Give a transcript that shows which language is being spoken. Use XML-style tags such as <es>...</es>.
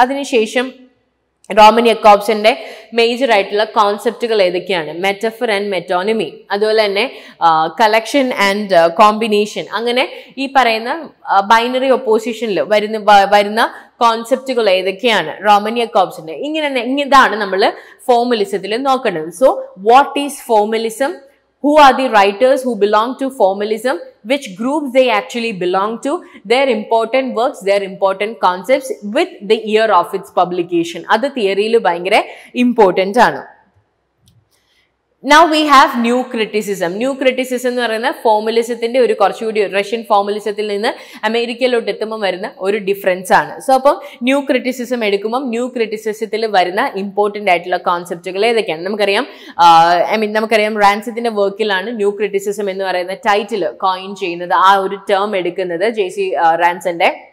<ml>അതിനുശേഷം Roman യേക്കോബ്സൻ്റെ major ആയിട്ടുള്ള കോൺസെപ്റ്റുകൾ ഏതൊക്കെയാണ്, മെറ്റഫർ ആൻഡ് മെറ്റോണമി, അതുപോലെ തന്നെ കളക്ഷൻ ആൻഡ് കോമ്പിനേഷൻ, അങ്ങനെ ഈ പറയുന്ന ബൈനറി ഒപ്പോസിഷനിൽ വരുന്ന കോൺസെപ്റ്റുകൾ ഏതൊക്കെയാണ് റോമൻ യേക്കോബ്സൻ്റെ, ഇങ്ങനെ ഇതാണ് നമ്മൾ ഫോർമലിസത്തിൽ നോക്കേണ്ടത്.</ml> <en>So what is formalism, who are the writers who belong to formalism, which groups they actually belong to, their important works, their important concepts with the year of its publication.</en> <ml>അത് തിയറിയിൽ ഭയങ്കര important ആണ്.</ml> <en>Now we have new criticism.</en> <ml>New criticism എന്ന് പറയുന്ന ഫോർമലിസത്തിൻ്റെ ഒരു കുറച്ചുകൂടി Russian ഫോർമലിസത്തിൽ നിന്ന് അമേരിക്കയിലോട്ട് എത്തുമ്പോൾ വരുന്ന ഒരു ഡിഫറൻസ് ആണ്. സോ അപ്പം ന്യൂ ക്രിറ്റിസിസം എടുക്കുമ്പം ന്യൂ ക്രിറ്റിസിസത്തിൽ വരുന്ന ഇമ്പോർട്ടൻ്റ് ആയിട്ടുള്ള കോൺസെപ്റ്റുകൾ ഏതൊക്കെയാണ് നമുക്കറിയാം. നമുക്കറിയാം റാൻസിത്തിൻ്റെ വർക്കിലാണ് ന്യൂ ക്രിറ്റിസിസം എന്ന് പറയുന്ന ടൈറ്റിൽ കോയിൻ ചെയ്യുന്നത്, ആ ഒരു ടേം എടുക്കുന്നത് JC റാൻസിൻ്റെ.</ml>